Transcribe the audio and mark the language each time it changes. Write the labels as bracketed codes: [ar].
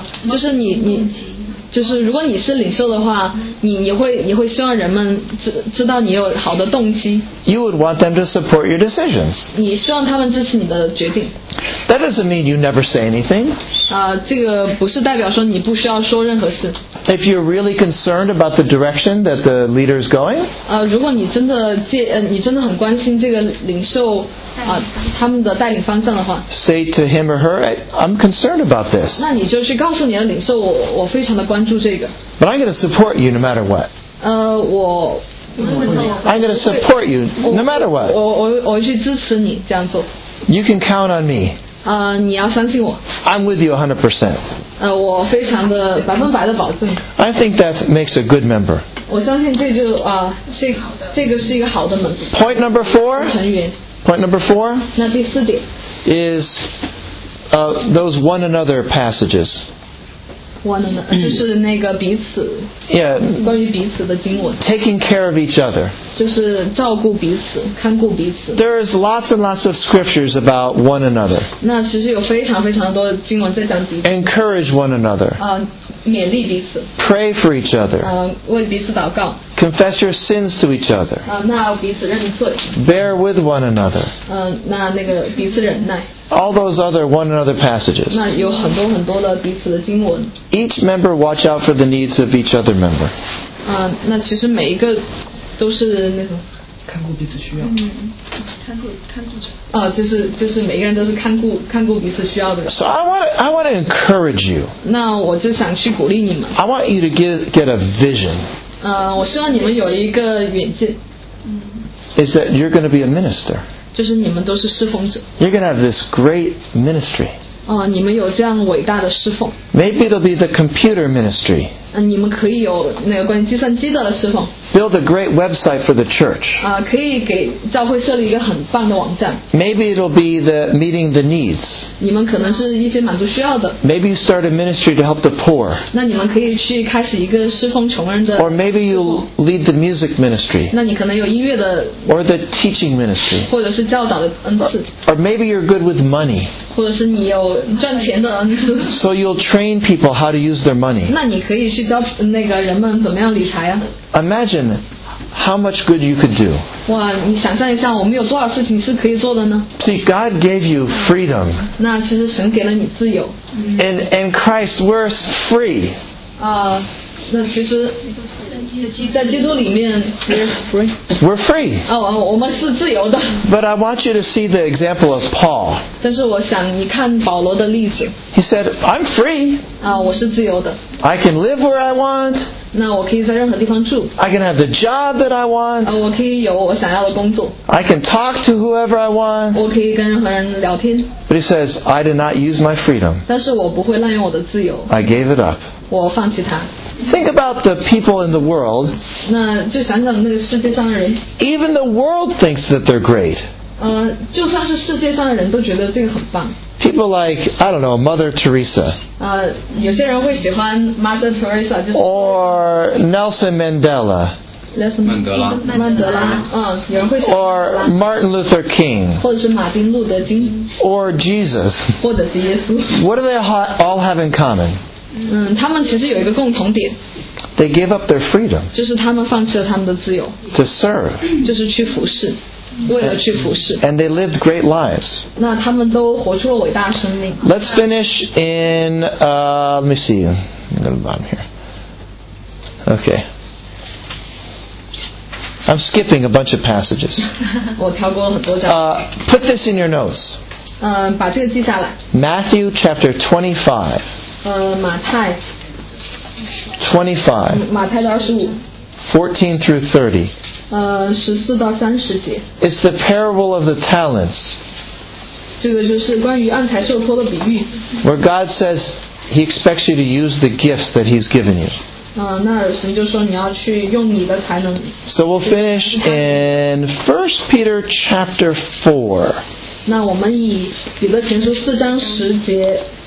[zh] 就是你就是如果你是领袖的话，你会希望人们知道你有好的动机。 [en] You would want them to support your decisions. [zh] 你希望他们支持你的决定。 [en] That doesn't mean you never say anything. [zh] 这个不是代表说你不需要说任何事。 [en] If you're really concerned about the direction that the leader is going. [zh] 如果你真的很关心这个领袖他们的带领方向的话。 [en] Say to him or her, I'm concerned about this. [zh] 那你就去告诉你的领袖，我非常的关注这个。 [en] But I'm going to support you no matter what. [zh] 我 [en] I'm going to support you no matter what. [zh] 我会去支持你这样做。 [en] You can count on me. [zh] 你要相信我。 [en] I'm with you 100%. [zh] 我非常的百分百的保证。 [en] I think that makes a good member. [zh] 我相信这就这个是一个好的member。 [en] Point number four. [zh] 成员。 [en] Point number four. [zh] 那第四点。 [en] Is those one another passages. One another, [zh] 就是那个彼此 yeah, 关于彼此的经文 [en] taking care of each other [zh] 就是照顾彼此看顾彼此 [en] there's lots and lots of scriptures about one another [zh] 那其实有非常非常多的经文在讲彼此 [en] encourage one another [zh] 勉励彼此 [en] pray for each other [zh] 为彼此祷告 [en] confess your sins to each other [zh] 那彼此认罪 [en] bear with one another [zh] 那个彼此忍耐 [en] All those other one another passages. [zh] 那有很多很多的彼此的经文。 [en] Each member watch out for the needs of each other member. [zh] 那其实每一个都是那个看顾彼此需要。看顾者。就是每个人都是看顾彼此需要的人。 [en] So I want to encourage you. [zh] 那我就想去鼓励你们。 [en] I want you to get a vision. [zh] 我希望你们有一个远见。 [en] Is that you're going to be a minister? [zh] 就是你们都是侍奉者。 [en] You're going to have this great ministry. [zh] 你们有这样伟大的侍奉。 [en] Maybe it'll be the computer ministry. [zh] 你们可以有那个关于计算机的侍奉。 [en] Build a great website for the church. [zh] 可以给教会设立一个很棒的网站。 [en] Maybe it'll be the meeting the needs. [zh] 你们可能是一些满足需要的。 [en] Maybe you start a ministry to help the poor. [zh] 那你们可以去开始一个侍奉穷人的。 [en] Or maybe you lead the music ministry. [zh] 那你可能有音乐的。 [en] Or the teaching ministry. [zh] 或者是教导的恩赐。 [en] Or maybe you're good with money. [zh] 或者是你有赚钱的恩赐。 [en] So you'll train people how to use their money. [zh] 那你可以去教那个人们怎么样理财啊。 [en] Imagine how much good you could do. [zh] 哇，你想象一下，我们有多少事情是可以做的呢 [en] ？See, God gave you freedom. [zh] 那其实神给了你自由。 [en] In Christ, we're free. [zh] 那其实。在基督里面 [en] We're free. [zh] 我们是自由的。 [en] But I want you to see the example of Paul. [zh] 但是我想你看保罗的例子。 [en] He said, I'm free. [zh] 我是自由的。 [en] I can live where I want. [zh] 那我可以在任何地方住。 [en] I can have the job that I want. [zh] 我可以有我想要的工作。 [en] I can talk to whoever I want. [zh] 我可以跟任何人聊天。 [en] But he says, I did not use my freedom. [zh] 但是我不会滥用我的自由。 [en] I gave it up. [zh] 我放弃它。 [en] Think about the people in the world. [zh] 那就想想那个世界上的人。 [en] Even the world thinks that they're great. [zh] 就算是世界上的人都觉得这个很棒。 [en] People like I don't know Mother Teresa. [zh] 有些人会喜欢 Mother Teresa， 就是。 [en] Or Nelson Mandela. Mandela. [zh] 有人会喜欢。 [en] Or Martin Luther King. [zh] 或者是马丁路德金。 [en] Or Jesus. [zh] 或者是耶稣。 [en] What do they all have in common? [zh] 他们其实有一个共同点。 [en] They gave up their freedom. [zh] 就是他们放弃了他们的自由。 [en] To serve. [zh] 就是去服侍，为了去服侍。 [en] And they lived great lives. [zh] 那他们都活出了伟大生命。 [en] Let's finish in, let me see, I'm going to the bottom here. Okay. I'm skipping a bunch of passages. [zh] 我跳过很多章。 [en] Put this in your notes. [zh] 把这个记下来。 [en] Matthew chapter 25. [zh] 马太25马太的25 [en] 14 through [zh] 3014到30节 [en] It's the parable of the talents [zh] 这个就是关于暗财受托的比喻 [en] Where God says He expects you to use the gifts that He's given you [zh] 那神就说你要去用你的才能 [en] So we'll finish in 1 Peter chapter 4 [zh] 那我们以彼得前书四章十节